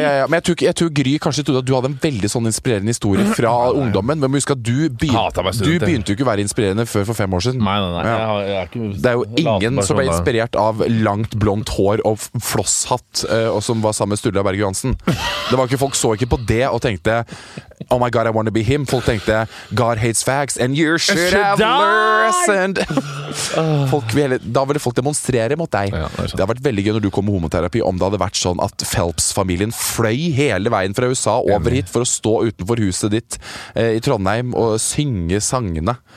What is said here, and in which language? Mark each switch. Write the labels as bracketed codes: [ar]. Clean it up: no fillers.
[no] Ja. Men jeg tror Gry kanskje trodde at du hadde en veldig sånn inspirerende historie fra ungdommen. Men husk at du begynte jo ikke å være inspirerende før for 5 år siden. Nei, ja. jeg er ikke det er jo ingen som ble inspirert av langt blondt hår og flosshatt og som var sammen med Sturla Berge Johansen. Det var ikke, folk så ikke på det og tenkte [en] oh my god, I wanna be him. [no] Folk tenkte, [en] God hates facts and you should have listened. [no] Da ville folk demonstrere mot deg. Det har vært veldig gøy når du kom med homoterapi, om det hadde vært sånn at Phelps-familien fløy hele veien fra USA over hit for å stå utenfor huset ditt i Trondheim og synge sangene.